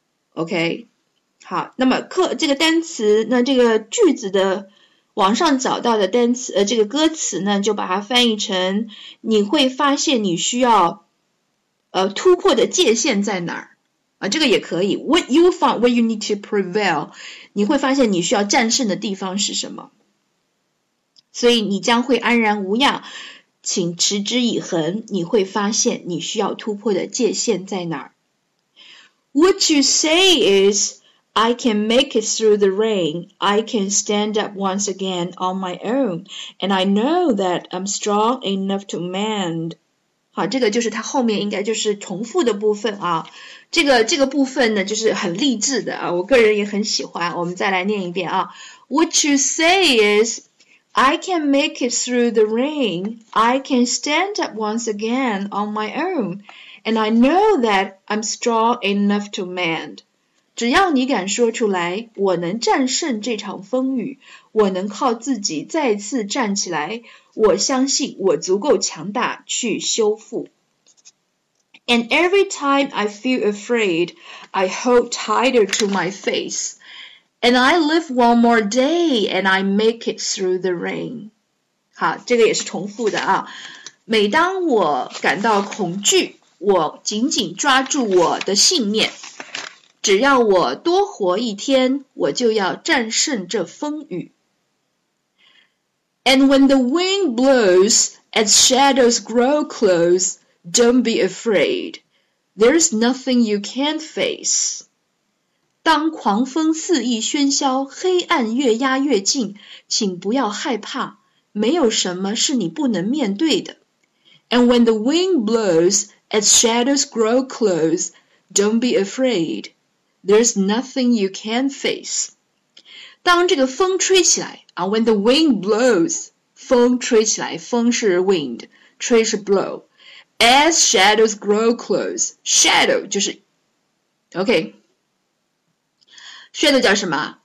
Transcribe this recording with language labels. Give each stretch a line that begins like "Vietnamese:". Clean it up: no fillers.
Chinese: OK， 好，那么这个单词，那这个句子的网上找到的单词这个歌词呢，就把它翻译成你会发现你需要突破的界限在哪儿啊，这个也可以。
English: What you find what you need to prevail，
Chinese: 你会发现你需要战胜的地方是什么，所以你将会安然无恙。请持之以恒，你会发现你需要突破的界限在哪儿。
English: What you say is, I can make it through the rain, I can stand up once again on my own, and I know that I'm strong enough to mend.
Chinese: 好，这个就是它后面应该就是重复的部分啊。这个部分呢就是很励志的啊，我个人也很喜欢。我们再来念一遍啊。
English: What you say is, I can make it through the rain, I can stand up once again on my own, and I know that I'm strong enough to mend.
Chinese: 只要你敢说出来，我能战胜这场风雨，我能靠自己再次站起来，我相信我足够强大去修复。
English: And every time I feel afraid, I hold tighter to my face. And I live one more day, and I make it through the rain.
Chinese: 好，这个也是重复的啊。每当我感到恐惧，我紧紧抓住我的信念。只要我多活一天，我就要战胜这风雨。
English: And when the wind blows, as shadows grow close,Don't be afraid. There's nothing you can't face.
Chinese: 当狂风肆意喧嚣，黑暗越压越近，请不要害怕，没有什么是你不能面对的。
English: And when the wind blows, as shadows grow close, don't be afraid. There's nothing you can't face.
Chinese: 当这个风吹起来啊 ，
English: when the wind blows,
Chinese: 风吹起来，风是 wind, 吹是 blow.
English: As shadows grow close,
Chinese: shadow 就是 ，OK， shadow 叫什么？